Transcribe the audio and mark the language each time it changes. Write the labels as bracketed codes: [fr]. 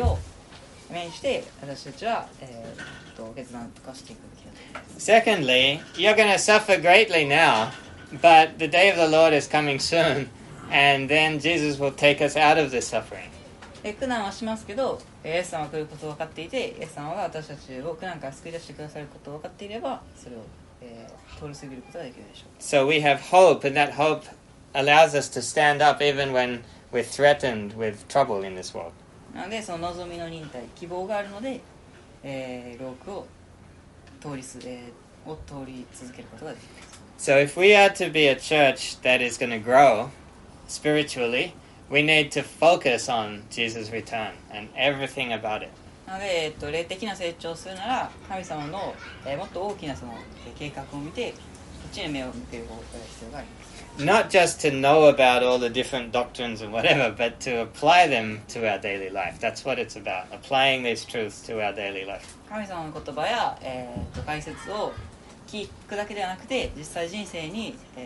[ja] を目にして私たちは、決断とかしていくべきだと。 [en] Secondly, you're going to suffer greatly now. But the day of the Lord is coming soon, and then Jesus will take us out of this suffering. [ja] 苦難はしますけど、イエス様が来ることを分かっていて、イエス様が私たちを苦難から救い出してくださることを分かっていれば、それを、通り過ぎることができるでしょう。 [en] So we have hope, and that hope allows us to stand up even when we're threatened with trouble in this world. [ja] なので、その望みの忍耐、希望があるので、牢獄を通り、を通り続けることができます。 [en] So if we are to be a church that is going to grow spiritually, we need to focus on Jesus' return and everything about it. [ja] なので、霊的な成長をするなら、神様の、もっと大きなその、計画を見て、こっちに目を向ける方法が必要があります。 [en] Not just to know about all the different doctrines and whatever, but to apply them to our daily life. That's what it's about, applying these truths to our daily life. [ja] 神様の言葉や、解説を聞くだけではなくて、実際人生に、